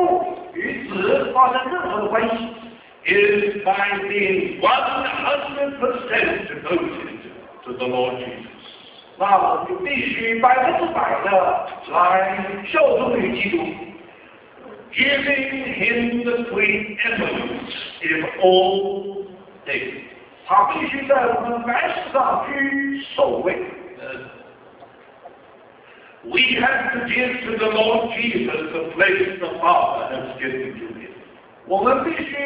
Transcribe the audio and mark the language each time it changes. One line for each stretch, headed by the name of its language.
Chinese: 我们要与父、与子发生任何的关系
English: is by being 100% devoted to the Lord Jesus.
Chinese: 那我们就必须100%的来效忠于基督。
English: Giving him the preeminence in all things.
Chinese: 他必须在我们凡事上居首位。
English: We have to give to the Lord Jesus the place the Father has given to him.